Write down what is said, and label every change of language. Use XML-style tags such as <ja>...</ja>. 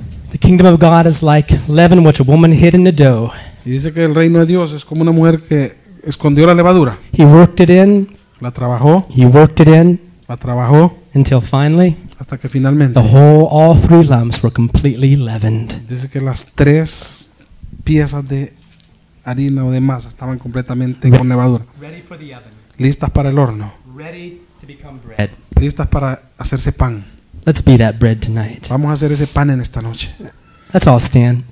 <en>The kingdom of God is like leaven which a woman hid in the dough.</en> <es>Y dice que el reino de Dios es como una mujer que escondió la levadura.</es> <en>He worked it in.</en> <es>La trabajó.</es> <en>He worked it in.</en> <es>La trabajó</es> <en>until finally,</en> <es>hasta que finalmente,</es> <en>the whole, all three lumps were completely leavened.</en> <es>Dice que las tres piezas de harina o de masa estaban completamente con levadura.</es> <en>Ready for the oven.</en> <es>Listas para el horno.</es> <en>Ready to become bread.</en> <es>Listas para hacerse pan.</es> <en>Let's be that bread tonight.</en> <es>Vamos a hacer ese pan en esta noche.</es> <en>Let's all stand.</en>